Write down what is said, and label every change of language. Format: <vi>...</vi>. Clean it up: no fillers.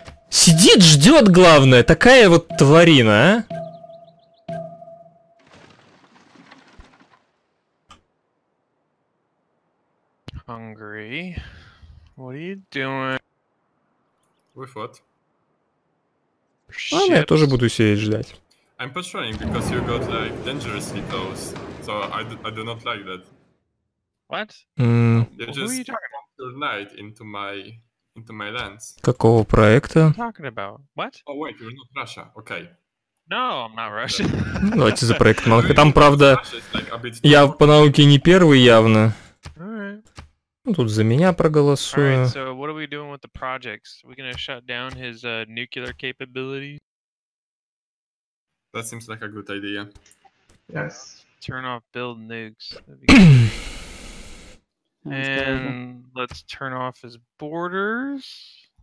<ru>Сидит, ждет, главное. Такая вот тварина, а.</ru> <en>Hungry. What are you doing?</en> <ru>Выход. Ладно, я тоже буду сидеть ждать.</ru> <en>I'm patrolling because you got like dangerously close. So I do not like that. What? You're just... Who are you talking about? Night into my lands.</en> <ru>Какого проекта?</ru> <en>Talking about what? Oh wait, you're not Russia. Okay. No, I'm not Russian.</en> <ru>Ну, давайте за проект Манхэттен. Там правда, я по науке не первый явно. Ну, тут за меня проголосую.</ru> <en>All right, so what are we doing with the projects? We gonna shut down his nuclear capability? That seems like a good idea. Yes. Turn off build nukes. And let's turn off his borders.</en>